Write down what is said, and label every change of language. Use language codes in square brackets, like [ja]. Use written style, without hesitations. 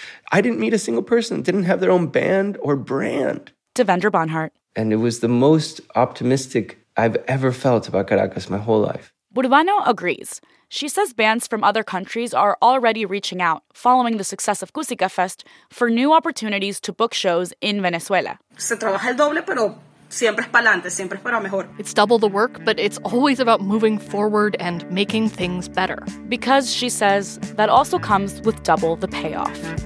[en] I didn't meet a single person that didn't have their own band or brand. Devendra Bonhart. And it was the most optimistic I've ever felt about Caracas my whole life. Urbano agrees. She says bands from other countries are already reaching out, following the success of Cusica Fest, for new opportunities to book shows in Venezuela. [es] Se trabaja el doble, pero siempre es para adelante, siempre es para mejor. [en] It's double the work, but it's always about moving forward and making things better. Because, she says, that also comes with double the payoff.